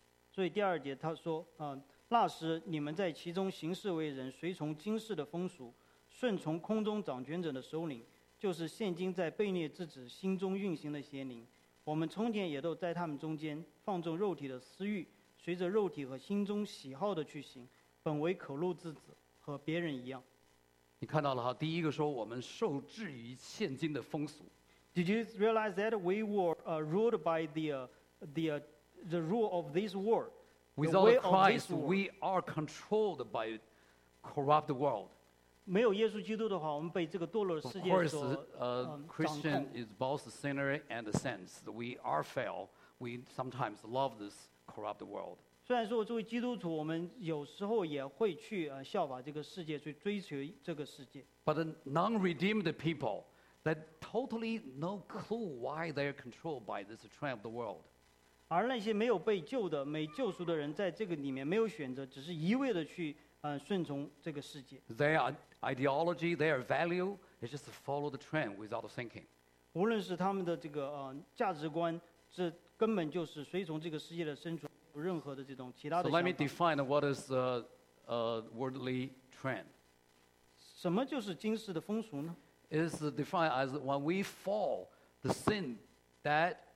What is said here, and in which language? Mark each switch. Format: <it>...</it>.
<zh>所以第二节他说那时你们在其中行事为人随从今世的风俗顺从空中掌权者的首领就是现今在悖逆之子心中运行的邪灵我们从前也都在他们中间放纵肉体的私欲随着肉体和心中喜好的去行本为可怒之子和别人一样你看到了哈第一个说我们受制于现今的风俗</zh> <en>Did you realize that we were ruled by the rule of this world Without Christ we are controlled by corrupt world</en> <zh>没有耶稣基督的话我们被这个堕落的世界所掌控</zh> <en>Of course Christian is both the sinner and the saints we are fail we sometimes love thisCorrupt the world.</en> <zh>虽然说作为基督徒，我们有时候也会去效法这个世界，去追求这个世界。</zh> <en>But the non-redeemed people, they totally no clue why they are controlled by this trend of the world.</en> <zh>而那些没有被救的、没救赎的人，在这个里面没有选择，只是一味的去顺从这个世界。</zh> <en>Their ideology, their value is just to follow the trend without thinking.</en> <zh>无论是他们的这个价值观是。根本就是随从这个世界的深处有任何的这种其他的想法</zh> <en>So let me define what is a worldly trend</en> <zh>什么就是今世的风俗呢</zh> <en>It is defined as when we fall the sin that</en>